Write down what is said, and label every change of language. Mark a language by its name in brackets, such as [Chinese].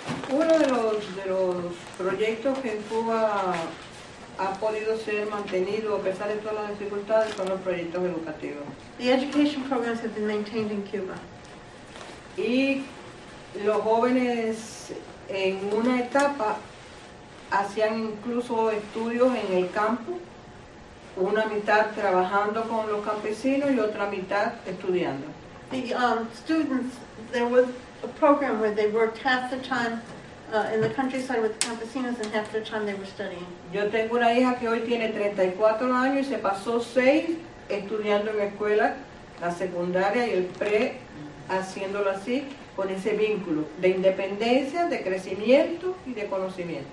[Spanish] Uno de los proyectos que en Cuba ha podido ser mantenido a pesar de todas las dificultades son los proyectos educativos. [English] The education programs have been maintained in Cuba. [Spanish] Y los jóvenes en una etapa hacían incluso estudios en el campo, una mitad trabajando con los campesinos y otra mitad estudiando. [English] The students, there was a program where they worked half the time in the countryside with the campesinos and half the time they were studying. [Spanish] Yo tengo una hija que hoy tiene 34 años y se pasó 6 estudiando en escuela, la secundaria y el pre, haciéndolo así, con ese vínculo de independencia, de crecimiento y de conocimiento.